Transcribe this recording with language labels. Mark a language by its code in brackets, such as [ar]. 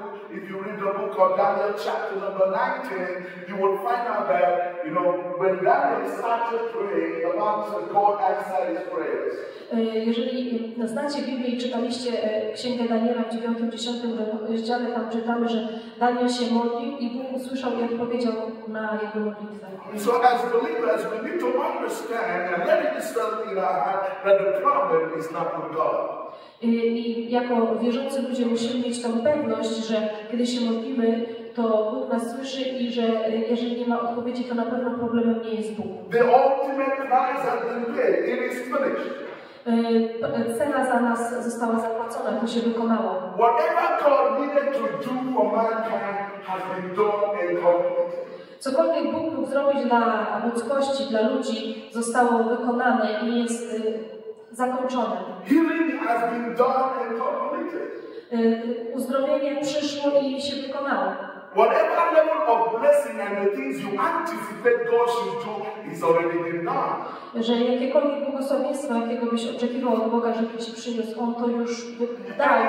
[en] If you read the book of Daniel, chapter number 19, you will find out that, when Daniel started praying, the Bible says God answered his prayers. [pl] Jeżeli znacie Biblię i czytaliście Księgę Daniela w 9, 10 rozdziale, tam czytamy, że Daniel się modlił i Bóg usłyszał i odpowiedział na jego modlitwę. [en] So as believers, we need to understand and let it be settled in our heart that the problem is not with God. [pl] I jako wierzący ludzie musimy mieć tą pewność, że kiedy się modlimy, to Bóg nas słyszy i że jeżeli nie ma odpowiedzi, to na pewno problemem nie jest Bóg. [en] The ultimate price has been paid. It is finished. [pl] Cena za nas została zapłacona, to się wykonało. [en] Whatever God needed to do for mankind has been done and completed. [pl] Cokolwiek Bóg mógł zrobić dla ludzkości, dla ludzi, zostało wykonane i jest zakończone. [en] Healing has been done and completed. [pl] Uzdrowienie przyszło i się wykonało. [en] Whatever level of blessing and the things you anticipate God should do is already been done. [pl] Że jakiekolwiek błogosławieństwo, jakiego byś oczekiwał od Boga, żeby ci przyniósł, on to już dał.